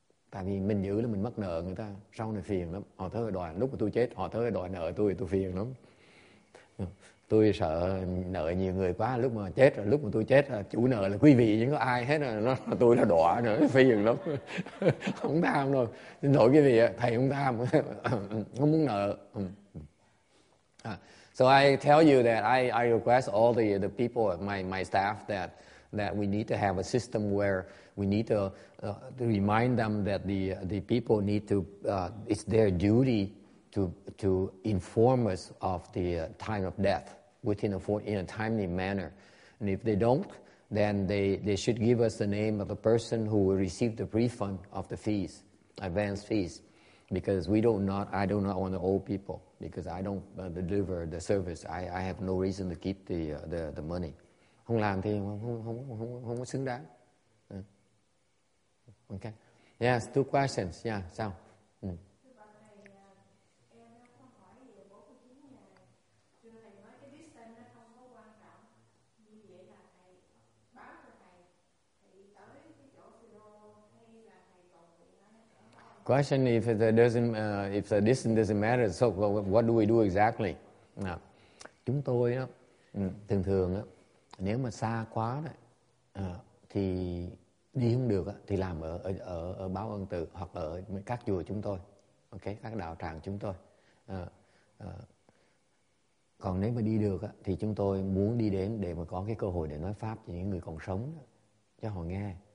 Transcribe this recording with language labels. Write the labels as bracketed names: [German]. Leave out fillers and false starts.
[Vietnamese] Tại vì mình giữ là mình mất nợ người ta, sau này phiền lắm, họ tới đòi, lúc mà tôi chết họ tới đòi nợ tôi phiền lắm, tôi sợ nợ nhiều người quá, lúc mà tôi chết chủ nợ là quý vị, nhưng có ai hết rồi, tôi là đọa nữa, phiền lắm, không tham đâu, xin lỗi quý vị, thầy không tham, không muốn nợ. [English] So I tell you that I request all the people, my staff, that we need to have a system where we need to remind them that the people need to, it's their duty to inform us of the time of death in a timely manner. And if they don't, then they should give us the name of the person who will receive the refund of the fees, advance fees. Because I do not want the old people. Because I don't deliver the service, I have no reason to keep the money. [Vietnamese] Không làm thì không có xứng đáng. [English] Okay. Yes, two questions. Yeah. [Vietnamese] Sao? [English] Question: if it doesn't, if the distance doesn't matter, so what do we do exactly? [Vietnamese] Chúng tôi đó, thường thường đó, nếu mà xa quá đó, thì đi không được đó, thì làm ở Báo Ân Tự hoặc ở các chùa chúng tôi, ok, các đạo tràng chúng tôi. Còn nếu mà đi được đó, thì chúng tôi muốn đi đến để mà có cái cơ hội để nói pháp cho những người còn sống đó, cho họ nghe.